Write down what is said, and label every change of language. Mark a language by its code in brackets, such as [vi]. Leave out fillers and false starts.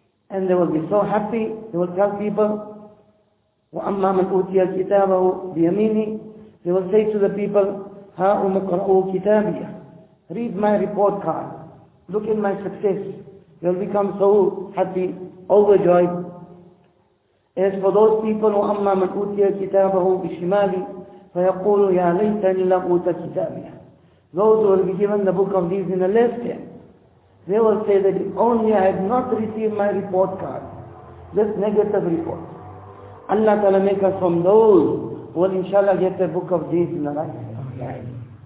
[en] And they will be so happy, they will tell people, [ar] وَأَمَّا مَنْ أُوْتِيَ الْكِتَابَهُ بِيَمِينِ. [en] They will say to the people, [ar] هَا أُمُقْرَأُ كِتَابِيَ. [en] Read my report card. Look at my success. You will become so happy, overjoyed. As for those people, [ar] وَأَمَّا مَنْ أُوْتِيَ الْكِتَابَهُ بِشِمَالِ. فَيَقُولُ يَا لَيْتَنِ لَمْ أُوْتَ كِتَابِيَ. [en] Those who will be given the book of deeds in the left hand, they will say that if only I had not received my report card, this negative report. Allah Ta'ala make us from those who will inshallah get the book of deeds in the right hand.